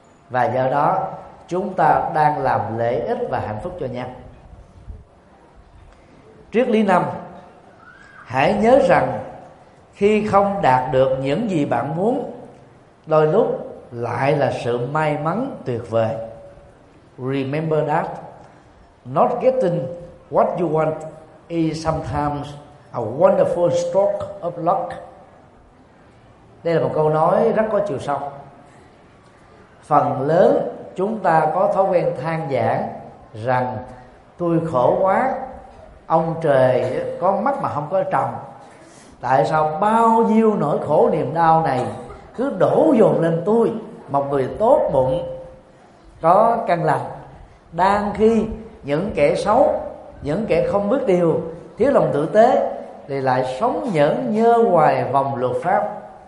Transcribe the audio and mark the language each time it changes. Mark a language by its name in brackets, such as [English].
[Vietnamese] Và do đó chúng ta đang làm lễ ích và hạnh phúc cho nhau. Triết lý năm, hãy nhớ rằng khi không đạt được những gì bạn muốn, đôi lúc lại là sự may mắn tuyệt vời. [English] Remember that not getting what you want is sometimes a wonderful stroke of luck. [Vietnamese] Đây là một câu nói rất có chiều sâu. Phần lớn chúng ta có thói quen than vãn rằng tôi khổ quá, ông trời có mắt mà không có tròng, tại sao bao nhiêu nỗi khổ niềm đau này cứ đổ dồn lên tôi, một người tốt bụng có căn lành, đang khi những kẻ xấu, những kẻ không biết điều, thiếu lòng tử tế thì lại sống nhẫn nhơ hoài vòng luật pháp.